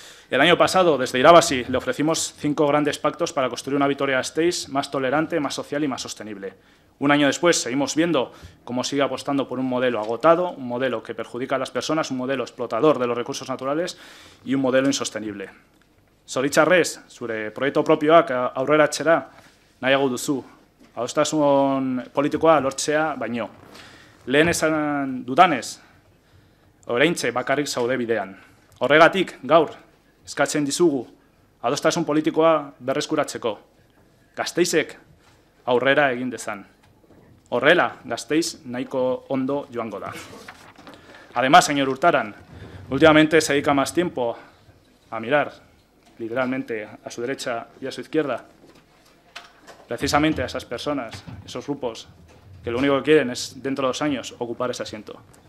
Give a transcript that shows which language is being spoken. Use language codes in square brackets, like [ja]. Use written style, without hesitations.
[es] El año pasado, desde Irabasi, le ofrecimos 5 grandes pactos para construir una Vitoria Stays más tolerante, más social y más sostenible. Un año después, seguimos viendo cómo sigue apostando por un modelo agotado, un modelo que perjudica a las personas, un modelo explotador de los recursos naturales y un modelo insostenible. [eu] Zoritxarrez, zure proiektu propioak aurrera txera, nahiago duzu. Adostasun politikoa lortzea baino. Lehen esan dudanez, oraintxe bakarrik zaude bidean. Horregatik, gaur, eskatzen dizugu, adostasun politikoa berreskuratzeko. Gasteizek aurrera egin dezan. Horrela, Gasteiz nahiko ondo joango da. [es] Además, señor Urtaran, últimamente se dedica más tiempo a mirar, literalmente, a su derecha y a su izquierda, precisamente a esas personas, esos grupos, que lo único que quieren es, dentro de 2 años, ocupar ese asiento.